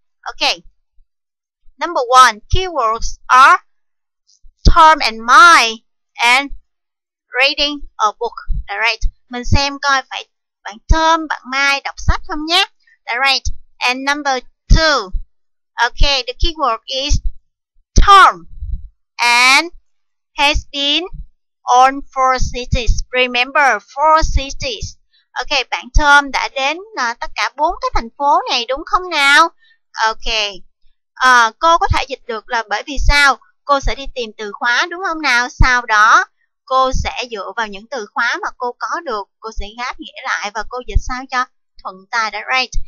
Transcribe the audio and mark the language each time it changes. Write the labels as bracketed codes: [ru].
[en] Okay, number 1, keywords are Tom and Mai and reading a book, right? [vi] Mình xem coi phải bạn Tom, bạn Mai đọc sách không nhé? [en] Alright, and number 2. Okay, the keyword is Tom and has been on 4 cities. Remember, 4 cities. [vi] Ok, bạn Tom đã đến tất cả bốn cái thành phố này đúng không nào? Ok. Cô có thể dịch được là bởi vì sao? Cô sẽ đi tìm từ khóa đúng không nào? Sau đó, cô sẽ dựa vào những từ khóa mà cô có được, cô sẽ gáp nghĩa lại và cô dịch sao cho thuận tai đã right.